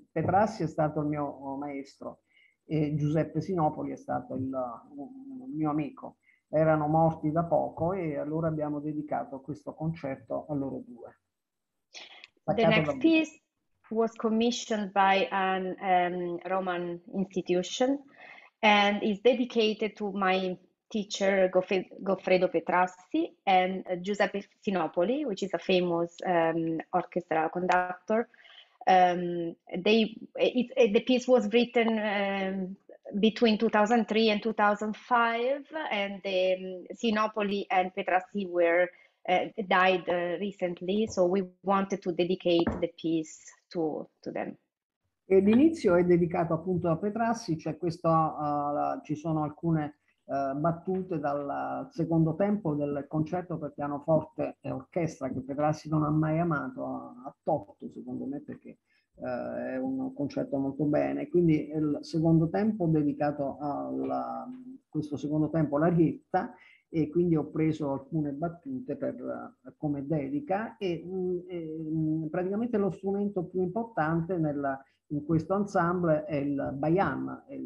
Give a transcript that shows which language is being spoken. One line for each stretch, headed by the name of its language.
Italian: Petrassi è stato il mio maestro e Giuseppe Sinopoli è stato il mio amico. Erano morti da poco e allora abbiamo dedicato questo concerto a loro due.
English: The next piece was commissioned by an Roman institution and is dedicated to my teacher Goffredo Petrassi and Giuseppe Sinopoli, which is a famous orchestra conductor. The piece was written between 2003 and 2005, and Sinopoli and Petrassi were died recently, so we wanted to dedicate the piece to them.
Italian: E l'inizio è dedicato appunto a Petrassi, cioè questo ci sono alcune battute dal secondo tempo del concerto per pianoforte e orchestra che Petrassi non ha mai amato, ha tolto secondo me perché è un concerto molto bene, quindi il secondo tempo dedicato a questo secondo tempo l'arietta, e quindi ho preso alcune battute per come dedica e praticamente lo strumento più importante in questo ensemble è il bayan.